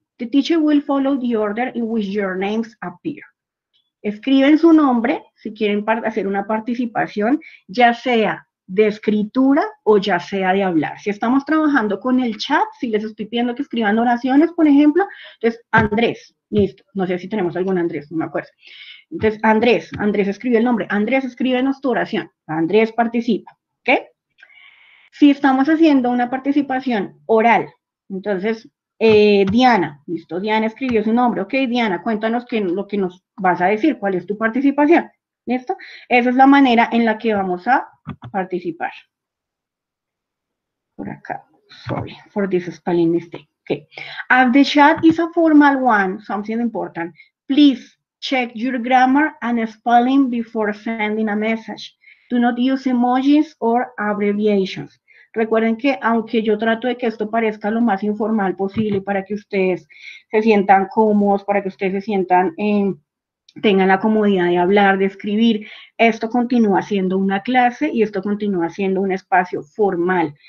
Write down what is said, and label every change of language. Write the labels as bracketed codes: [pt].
[en] The teacher will follow the order in which your names appear. [es] Escriben su nombre si quieren hacer una participación, ya sea de escritura o ya sea de hablar. Si estamos trabajando con el chat, si les estoy pidiendo que escriban oraciones, por ejemplo, entonces Andrés, listo, no sé si tenemos algún Andrés, no me acuerdo. Entonces Andrés, Andrés escribe el nombre. Andrés, escríbenos tu oración. Andrés participa, ¿ok? Si estamos haciendo una participación oral, entonces Diana, listo, Diana escribió su nombre. Ok, Diana, cuéntanos qué, lo que nos vas a decir, cuál es tu participación. ¿Listo? Esa es la manera en la que vamos a participar. Por acá, [en] sorry for this spelling mistake. Okay. As the chat is a formal one, something important, please check your grammar and spelling before sending a message. Do not use emojis or abbreviations. [es] Recuerden que aunque yo trato de que esto parezca lo más informal posible para que ustedes se sientan cómodos, para que ustedes se sientan en... tengan la comodidad de hablar, de escribir, esto continúa siendo una clase y esto continúa siendo un espacio formal.